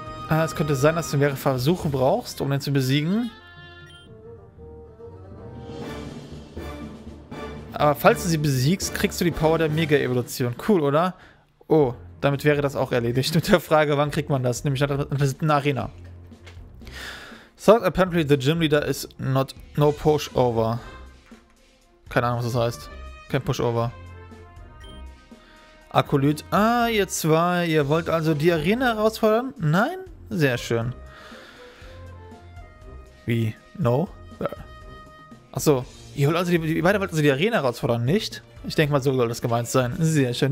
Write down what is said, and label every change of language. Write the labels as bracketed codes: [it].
[de] Es könnte sein, dass du mehrere Versuche brauchst, um den zu besiegen. Aber falls du sie besiegst, kriegst du die Power der Mega-Evolution. Cool, oder? Oh, damit wäre das auch erledigt. Mit der Frage, wann kriegt man das? Nämlich in der 7. Arena. [en] So, apparently the gym leader is not no pushover. [de] Keine Ahnung, was das heißt. Kein Pushover. Akolyt. Ah, ihr zwei. Ihr wollt also die Arena herausfordern? Nein? Sehr schön. Wie? No? Achso. Ihr wollt also die Arena herausfordern, nicht? Ich denke mal, so soll das gemeint sein. Sehr schön.